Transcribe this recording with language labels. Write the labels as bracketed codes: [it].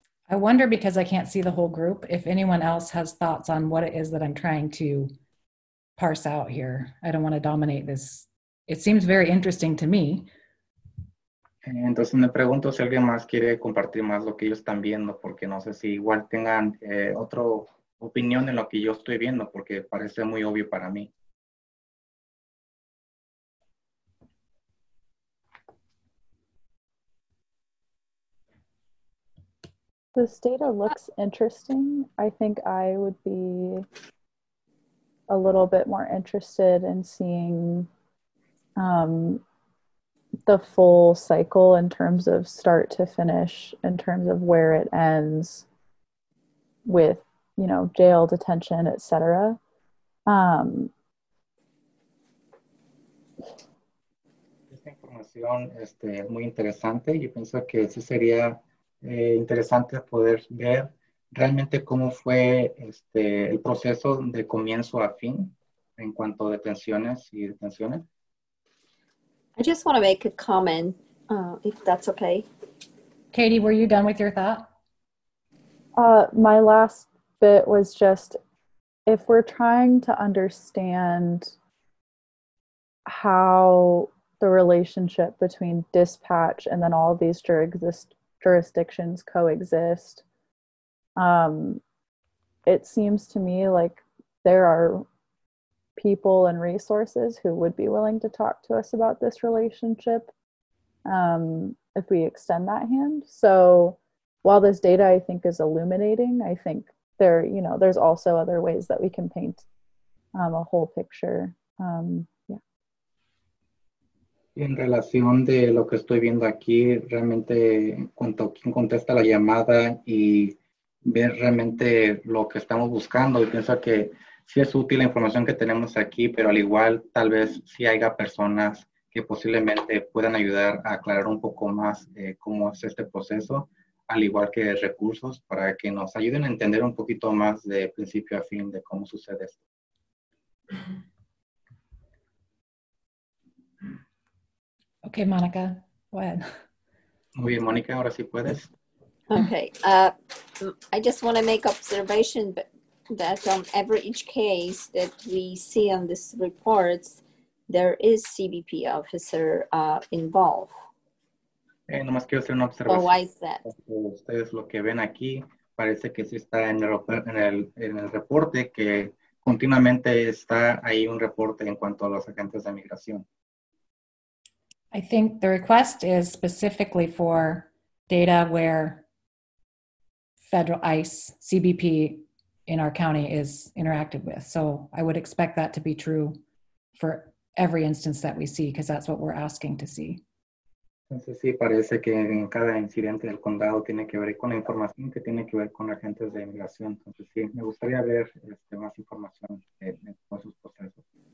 [en] I wonder, because I can't see the whole group, if anyone else has thoughts on what it is that I'm trying to parse out here. I don't want to dominate this. It seems very interesting to me. [es] Entonces me pregunto si alguien más quiere compartir más lo que ellos están viendo, porque no sé si igual tengan otra opinión en lo que yo estoy viendo, porque parece muy obvio para mí. [en] This data looks interesting. I think I would be a little bit more interested in seeing the full cycle in terms of start to finish, in terms of where it ends with, you know, jail, detention, et cetera. [es] Esta información es muy interesante. Yo pienso que sí sería interesante poder ver realmente cómo fue el proceso de comienzo a fin en cuanto a detenciones y detenciones. [en] I just want to make a comment, if that's okay. Katie, were you done with your thought? My last bit was just, if we're trying to understand how the relationship between dispatch and then all of these jurisdictions coexist, it seems to me like there are people and resources who would be willing to talk to us about this relationship if we extend that hand. So while this data I think is illuminating, I think there, you know, there's also other ways that we can paint a whole picture. [es] En relación de lo que estoy viendo aquí, realmente cuanto quien contesta la llamada y ver realmente lo que estamos buscando, y pienso que sí es útil la información que tenemos aquí, pero al igual tal vez sí haya personas que posiblemente puedan ayudar a aclarar un poco más cómo es este proceso, al igual que recursos para que nos ayuden a entender un poquito más de principio a fin de cómo sucede esto. [en] Ok, Mónica, go ahead. [es] Muy bien, Mónica, ahora sí puedes. [en] Ok, I just want to make observation, but that on every each case that we see on this reports, there is CBP officer involved. [es] Nomás quiero hacer una observación. [en] So why is that? [es] Ustedes lo que ven aquí parece que sí está en el reporte, que continuamente está ahí un reporte en cuanto a los agentes de migración. [en] I think the request is specifically for data where federal ICE, CBP, in our county is interacted with. So I would expect that to be true for every instance that we see, because that's what we're asking to see. [es] Entonces sí, parece que en cada incidente del condado tiene que ver con la información que tiene que ver con agentes de inmigración. Entonces sí, me gustaría ver más información de todos sus procesos.